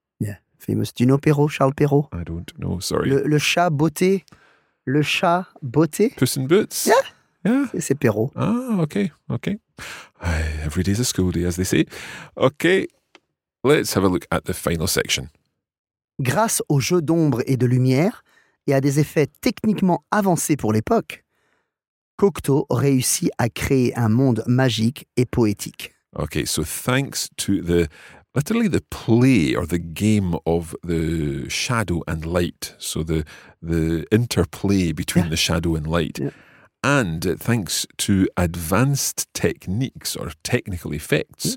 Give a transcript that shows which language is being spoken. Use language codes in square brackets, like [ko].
[en] Yeah, famous. Do you know Perrault, Charles Perrault? I don't know, sorry. [fr] Le chat beauté. Le chat beauté. [en] Puss in Boots. [fr] Yeah. C'est Perrault. [en] Ah, okay. Every day's a school day, as they say. Okay, let's have a look at the final section. [fr] Grâce au jeu d'ombre et de lumière, et à des effets techniquement avancés pour l'époque, Cocteau réussit à créer un monde magique et poétique. [en] Okay, so thanks to the, literally the play or the game of the shadow and light, so the interplay between the shadow and light, and thanks to advanced techniques or technical effects,